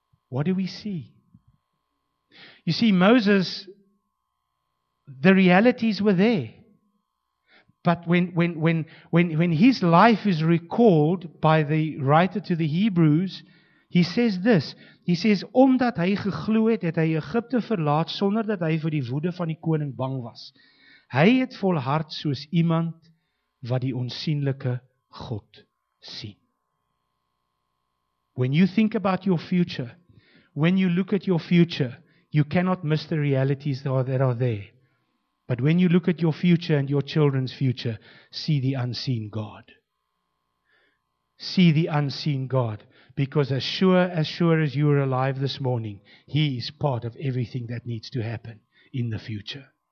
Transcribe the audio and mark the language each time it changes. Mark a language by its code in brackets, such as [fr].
[en] What do we see? You see, Moses, the realities were there. But when his life is recalled by the writer to the Hebrews, he says this. He says, [af] "Omdat hy geglo het, het hy Egypte verlaat sonder dat hy vir die woede van die koning bang was. Hy het volhard soos iemand wat die onsienlike God sien." [en] When you think about your future, when you look at your future, you cannot miss the realities that are there. But when you look at your future and your children's future, see the unseen God. See the unseen God. Because as sure as you are alive this morning, He is part of everything that needs to happen in the future.